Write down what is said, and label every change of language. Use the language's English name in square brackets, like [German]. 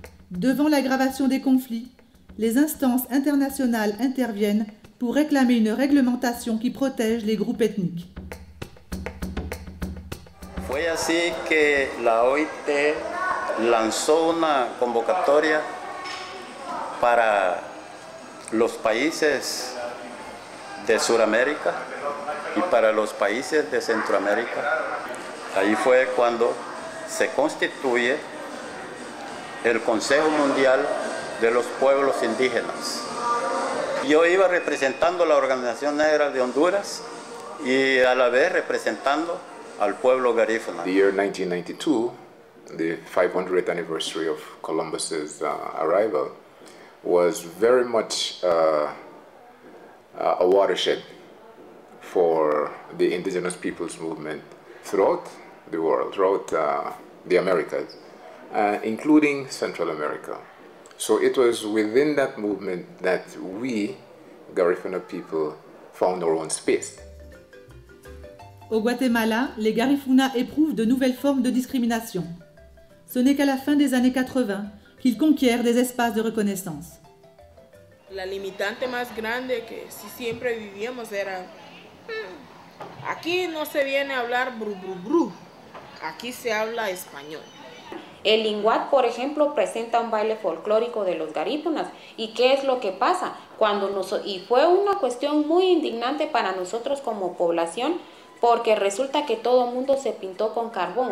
[French] Devant l'aggravation des conflits, les instances internationales interviennent pour réclamer une réglementation qui protège les groupes ethniques. [Spanish] Fue así que la OIT lanzó una convocatoria para los países de Sudamérica y para los países de Centroamérica. Ahí fue cuando se constituye el Consejo Mundial de los Pueblos Indígenas. Yo iba representando la Organización Negra de Honduras y a la vez representando al pueblo garífuna. [English] The year 1992, the 500th anniversary of Columbus's arrival, was very much a watershed for the indigenous peoples movement throughout the world, throughout the Americas, including Central America. So it was within that movement that we, Garifuna people, found our own space. [French] Au Guatemala, les Garifuna éprouvent de nouvelles formes de discrimination. Ce n'est qu'à la fin des années 80 qu'ils conquièrent des espaces de reconnaissance. [Spanish] La limitante más grande que si siempre vivíamos era aquí no se viene a hablar bru bru bru. Aquí se habla español. El Linguat, por ejemplo, presenta un baile folclórico de los garífunas. ¿Y qué es lo que pasa? Y fue una cuestión muy indignante para nosotros como población, porque resulta que todo el mundo se pintó con carbón.